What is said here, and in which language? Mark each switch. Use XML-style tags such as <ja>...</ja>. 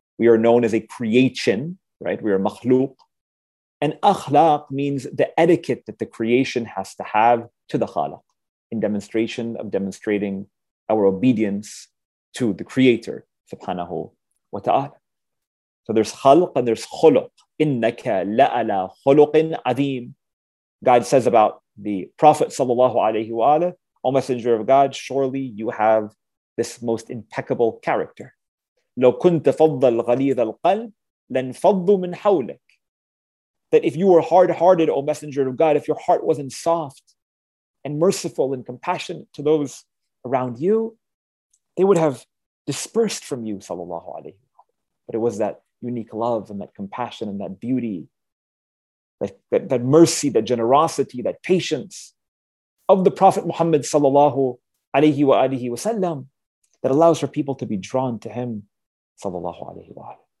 <en>We are known as a creation, right? We are makhluq. And akhlaq means the etiquette that the creation has to have to the khalaq, in demonstration of demonstrating our obedience to the creator, subhanahu wa ta'ala. So there's khalq and there's khuluq. Innaka la'ala khuluqin adheem. God says about the Prophet sallallahu alayhi wa ala, O Messenger of God, surely you have this most impeccable character.</en> <ar>لو كنت فضل غليظ القلب لنفضوا من حولك.</ar> <en>That if you were hard-hearted, O Messenger of God, if your heart wasn't soft and merciful and compassionate to those around you, they would have dispersed from you, sallallahu alayhi wa sallam. But it was that unique love and that compassion and that beauty, that mercy, that generosity, that patience of the Prophet Muhammad sallallahu alayhi wa sallam that allows for people to be drawn to him, sallallahu alayhi wa sallam.</en>